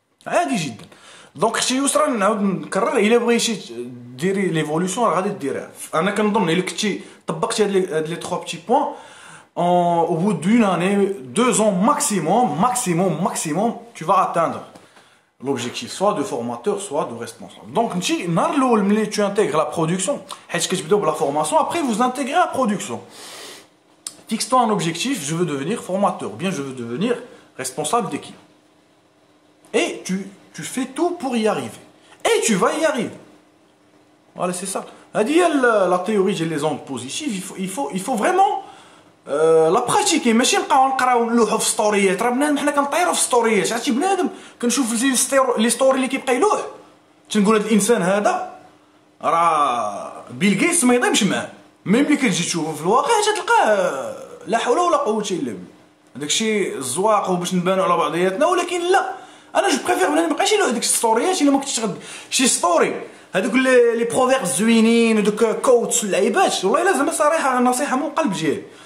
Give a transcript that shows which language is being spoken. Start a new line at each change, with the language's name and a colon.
Arabic: عادي جدا دونك اختي يسرى نعاود نكرر الا بغيتي شي ديري ليفولوسيون راه غادي ديريها انا كنظن الا كنتي طبقتي هاد لي تخوا بيتي بوين
French: En, au bout d'une année, deux ans maximum, tu vas atteindre l'objectif, soit de formateur, soit de responsable. Donc, tu intègres la production, la formation, après vous intégrez la production. Fixe-toi un objectif, je veux devenir formateur, ou bien je veux devenir responsable d'équipe. Et tu fais tout pour y arriver. Et tu vas y arriver. Voilà, c'est ça. La théorie, j'ai les ondes positives, il faut vraiment...
Arabic: لا براتيكي ماشي نبقاو نقراو نلوحو في ستوريات راه بنادم حنا كنطيرو في ستوريات عرفتي بنادم كنشوف لي ستوري اللي كيبقى يلوح تنقول هاد الانسان هذا راه بيل غيتس ما يضيمش معاه ميم اللي كتجي تشوفو في الواقع تلقاه لا حول ولا قوة الا بالله داكشي الزواق وباش نبانو على بعضياتنا ولكن لا انا جو بريفير بنادم مابقاش يلوح ديك الستوريات الا ما كنتش غد شي ستوري هادوك لي بروفيرب زوينين ودوك كوتس والعيبات والله الا زعما صراحة نصيحة من القلب ديالي